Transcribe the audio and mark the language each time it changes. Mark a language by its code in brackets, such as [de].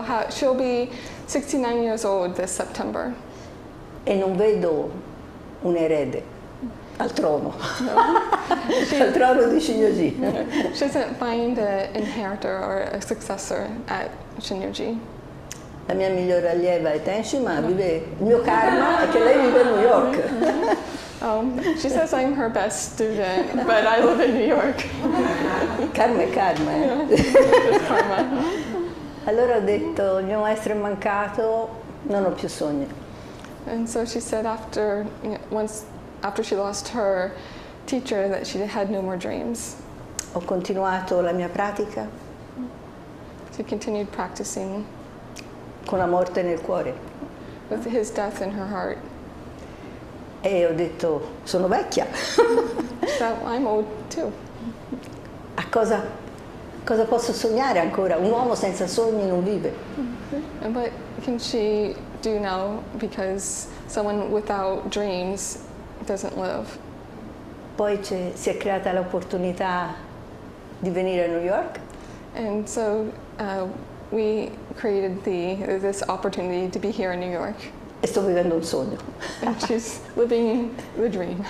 [en] She'll be 69 years old this September. [it] E non vedo un erede al trono. Al trono di Shinyoji. [en] She doesn't find an inheritor or a successor at Shinyoji. [it] La mia migliore allieva è Tenshi, ma vive, il mio karma è che lei vive a New York. [en] She says I'm her best student, but I live in New York. [it] Karma è karma. Yeah, [en] just karma. [it] Allora ho detto, il mio maestro è mancato, non ho più sogni. [en] And so she said after she lost her teacher that she had no more dreams. [it] Ho continuato la mia pratica. [en] She continued practicing. [it] Con la morte nel cuore. [en] With his death in her heart. [it] E ho detto, sono vecchia. [en] So I'm old too. [it] A cosa, cosa posso sognare ancora? Un uomo senza sogni non vive. [en] And what can she do now? Because someone without dreams doesn't live. [it] Poi si è creata l'opportunità di venire a New York. [en] And so we created this opportunity to be here in New York. [it] E sto vivendo un sogno. [en] And she's living the dream.